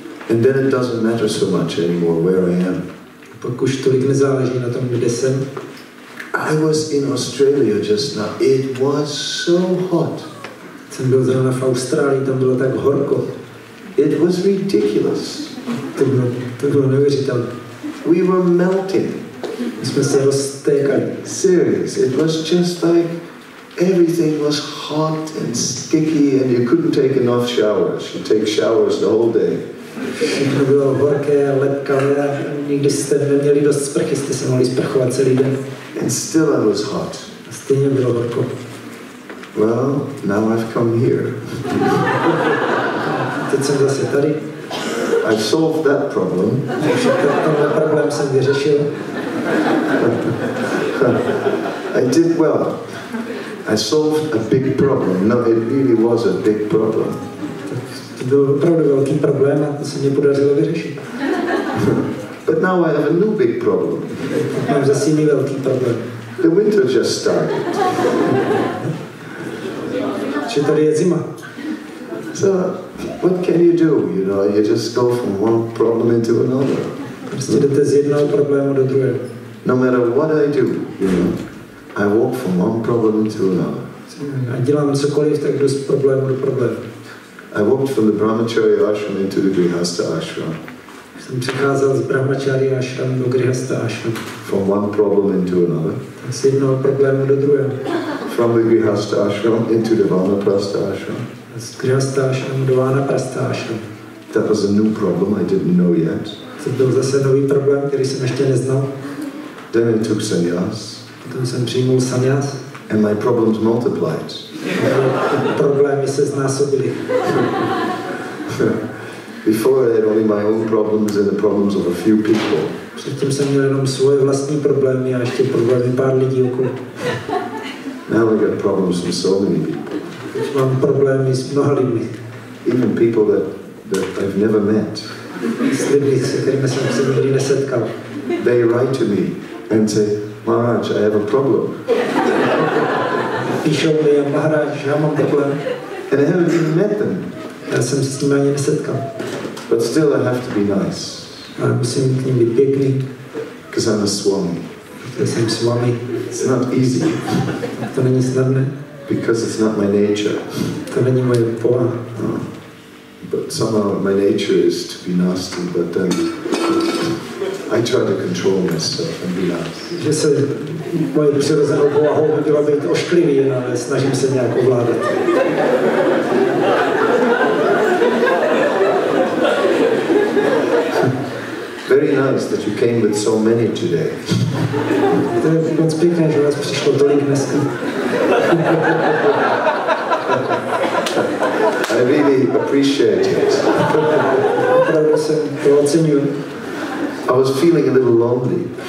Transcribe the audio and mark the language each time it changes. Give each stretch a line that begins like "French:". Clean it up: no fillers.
English: And then it doesn't matter so much anymore where I am.
Czech: Pak už tolik nezáleží na tom, kde jsem.
English: I was in Australia just now. It was so hot.
Czech: Jsem byl zrovna v Austrálii, tam bylo tak horko.
English: It was ridiculous.
Czech: To bylo neuvěřitelné.
English: We were melting.
Czech: My jsme se roztékali.
English: Serious. It was just like everything was hot and sticky and you couldn't take enough showers. You take showers the whole day.
Czech: Všechno bylo horké, lepkavé a nikdy jste neměli dost sprchy, jste se mohli sprchovat celý den.
English: And still I was hot.
Czech: A stejně bylo horko.
English: Well, now I've come here.
Czech: Teď jsem zase tady.
English: I've solved that problem.
Czech: Tenhle problém jsem vyřešil.
English: I did well. I solved a big problem. No, it really was a big problem.
Czech: To byl opravdu velký problém a to se mě podařilo vyřešit.
English: But now I have a new big problem.
Czech: Mám zase jiný velký problém.
English: The winter just started.
Czech: Že tady je zima.
English: So, what can you do? You know, you just go from one problem into another.
Czech: Prostě jdete z jednoho problému do druhého.
English: No matter what I do, you know, I walk from one problem into another.
Czech: A dělám cokoliv, tak jdu z problému do problému.
English: I walked from the Brahmacharya ashram into the Grihastha ashram.
Czech: Jsem přicházel z Brahmacharya ashram do Grihastha ashram.
English: From one problem into another.
Czech: Z jednoho problému do druhého.
English: From the Grihastha ashram into the Vanaprastha ashram.
Czech: Z Grihastha ashram do Vanaprastha ashram.
English: That was a new problem I didn't know yet.
Czech: To byl zase nový problém, který jsem ještě neznal.
English: Then I took sannyas.
Czech: Potom jsem přijmul sannyas.
English: And my problems multiplied.
Czech: Problémy se znásobily.
English: Before I had only my own problems and the problems of a few people.
Czech: Předtím jsem měl jenom svoje vlastní problémy a ještě problémy pár lidí okolo.
English: Now I got problems with so many people.
Czech: Teď mám problémy s mnoha lidmi.
English: Even people that I've never met.
Czech: S lidmi, se kterými jsem se nikdy nesetkal.
English: They write to me and say, Maharaj, I have a problem.
Czech: Píšou mi a Maharaj, já mám problém.
English: And I haven't even met them.
Czech: Já jsem se s nimi ani nesetkal.
English: But still I have to be nice.
Czech: A musím k ním být pěkný.
English: Because I'm a Swami.
Czech: Protože jsem Swami.
English: It's not easy.
Czech: To není snadné.
English: Because it's not my nature.
Czech: To není moje povaha.
English: No. But somehow my nature is to be nasty, but then... I try to control myself and be honest.
Czech: Že se moje přirozenou povahou hodila být ošklivý, ale snažím se nějak ovládat.
English: Very nice that you came with so many today.
Czech: To je moc pěkné, že vás přišlo tolik dneska.
English: I really appreciate it.
Czech: Opravdu se to oceňuji.
English: I was feeling a little lonely.